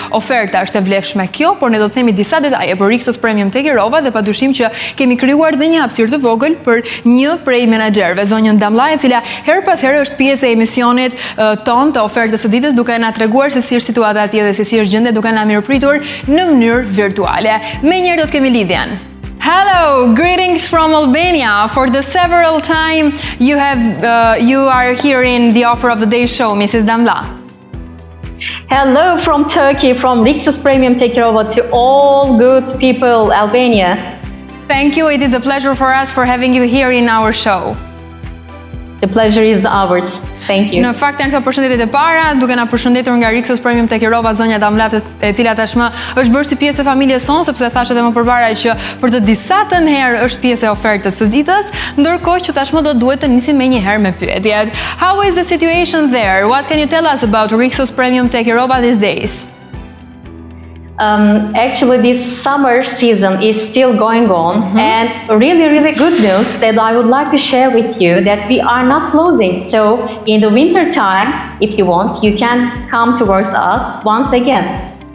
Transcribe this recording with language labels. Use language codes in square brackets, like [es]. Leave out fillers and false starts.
[sq] Oferta është e vlefshme kjo, por ne do të themi disa detaje për Rixos Premium Tekirova dhe padyshim që kemi krijuar dhe një hapësirë të vogël për një prej menaxherëve, zonjën Damllaj, e cila her pas here është pjesë e emisionit ton të ofertës së ditës, duke na treguar se si është situata atje dhe se si është gjendja, duke na mirëpritur në mënyrë virtuale. Menjëherë do të kemi lidhjen. [en] Hello, greetings from Albania. For the several time you have, you are here in the offer of the day show, Mrs. Damla. Hello from Turkey, from Rixos Premium Tekirova to all good people, Albania. Thank you. It is a pleasure for us for having you here in our show. The pleasure is ours. Thank you. [sq] Në fakt janë këto përshëndetjet e para, duke na përshëndetur nga Rixos Premium Tekirova zonja Damla, e cila tashmë është bërë si pjesë e familjes sonë, sepse thashë edhe më përpara që për të disatën herë është pjesë e ofertës së ditës, ndërkohë që tashmë do duhet të nisim më një herë me pyetjet. [en] How is the situation there? What can you tell us about Rixos Premium Tekirova these days? Actually, this summer season is still going on, and really, really good news that I would like to share with you that we are not closing. So, in the winter time, if you want, you can come towards us once again.